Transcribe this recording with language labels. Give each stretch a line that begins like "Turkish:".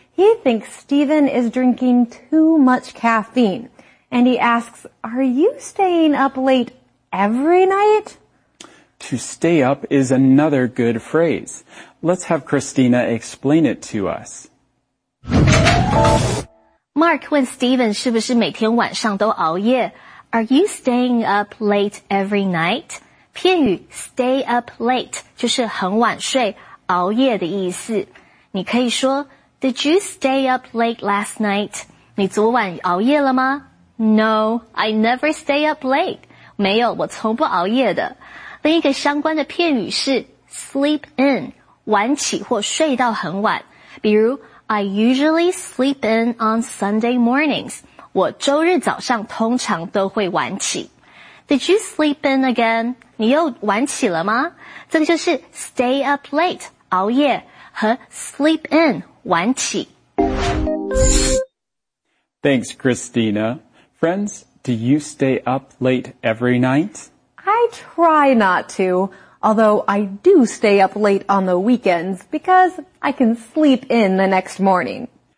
English: He thinks Stephen is drinking too much caffeine. And he asks, are you staying up late every night? To stay up is another good phrase. Let's have Christina explain it to us.
Chinese: Mark 问 Stephen 是不是每天晚上都熬夜。
English: Are you staying up late every night?
Chinese: 片语 stay up late 就是很晚睡熬夜的意思。你可以说
English: Did you stay up late last night?
Chinese: 你昨晚熬夜了吗?
English: No, I never stay up late.
Chinese: 没有,我从不熬夜的。另一个相关的片语是 sleep in, 晚起或睡到很晚。比如
English: I usually sleep in on Sunday mornings.
Chinese: 我周日早上通常都会晚起。
English: Did you sleep in again?
Chinese: 你又晚起了吗? 这个就是 stay up late, 熬夜和 sleep in, 晚起。
English: Thanks, Christina. Friends, do you stay up late every night? I try not to, although I do stay up late on the weekends because I can sleep in the next morning.